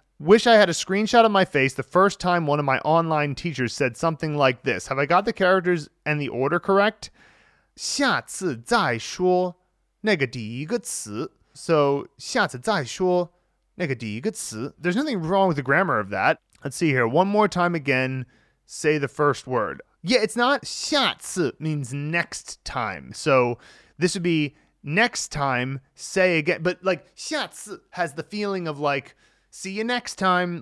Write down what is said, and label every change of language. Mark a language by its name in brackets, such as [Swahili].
[English] Wish I had a screenshot of my face the first time one of my online teachers said something like this. Have I got the characters and the order correct? [Chinese] 下次再说那个第一个词. So, 下次再说那个第一个词. [English] There's nothing wrong with the grammar of that. Let's see here. One more time again, say the first word. Yeah, it's not 下次 means next time. So, this would be next time, say again. But, like, 下次 has the feeling of, like, see you next time.